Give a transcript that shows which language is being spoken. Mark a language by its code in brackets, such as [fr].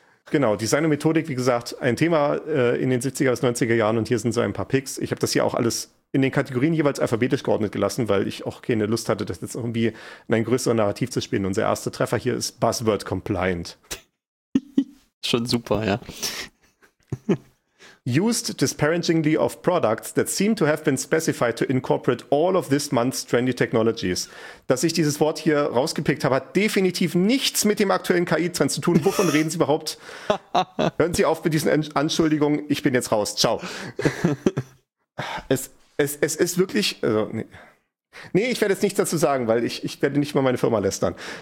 [de] Genau, Design und Methodik, wie gesagt, ein Thema in den 70er bis 90er Jahren und hier sind so ein paar Picks. Ich habe das hier auch alles in den Kategorien jeweils alphabetisch geordnet gelassen, weil ich auch keine Lust hatte, das jetzt irgendwie in ein größeres Narrativ zu spielen. Unser erster Treffer hier ist Buzzword Compliant. Schon super, ja. [en] Used disparagingly of products that seem to have been specified to incorporate all of this month's trendy technologies. [de] Dass ich dieses Wort hier rausgepickt habe, hat definitiv nichts mit dem aktuellen KI-Trend zu tun. Wovon reden Sie überhaupt? Hören Sie auf mit diesen Anschuldigungen. Ich bin jetzt raus. Ciao. Es ist wirklich... Also, nee, ich werde jetzt nichts dazu sagen, weil ich werde nicht mal meine Firma lästern.